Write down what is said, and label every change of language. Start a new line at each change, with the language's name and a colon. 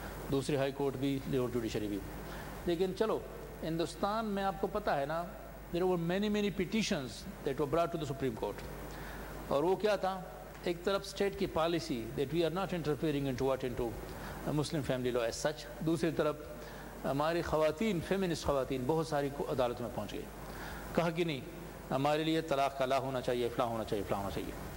Hindi: दूसरी high court भी,
English: lower judiciary
Hindi: भी। लेकिन चलो, हिंदुस्तान में आपको पता है ना,
English: there were many petitions that were brought to the Supreme Court.
Hindi: और वो क्या था, एक तरफ स्टेट की policy
English: that we are not interfering into what into Muslim family law as such,
Hindi: दूसरी तरफ हमारी ख़वातीन, फेमिनिस्ट ख़वातीन बहुत सारी को अदालत में पहुँच गई, कहा कि नहीं हमारे लिए तलाक़ का ला होना चाहिए, फ़लाँ होना चाहिए, फ़लाँ होना चाहिए।